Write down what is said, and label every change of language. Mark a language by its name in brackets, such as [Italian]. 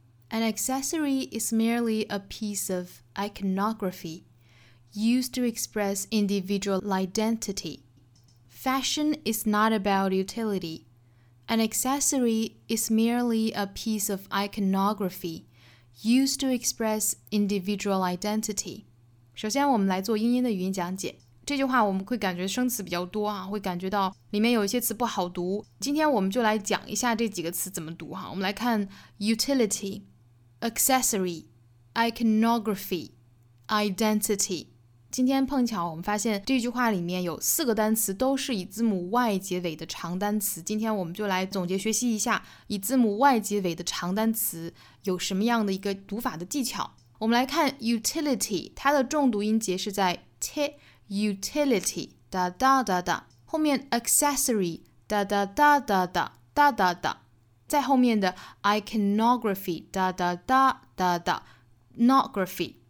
[English] An accessory is merely a piece of iconography used to express individual identity. Fashion is not about utility. An accessory is merely a piece of iconography used to express individual identity. [Chinese] 首先我们来做英音的语音讲解。这句话我们会感觉生词比较多啊，会感觉到里面有一些词不好读。今天我们就来讲一下这几个词怎么读啊。我们来看 utility, accessory, iconography, identity。今天碰巧我们发现这句话里面有四个单词都是以字母 Y 结尾的长单词，今天我们就来总结学习一下以字母 Y 结尾的长单词有什么样的一个读法的技巧。我们来看 utility， 它的重读音节是在 t utility 哒哒哒哒，后面 accessory 哒哒哒哒哒哒哒哒，在后面的 iconography 哒哒哒哒哒 ，nography。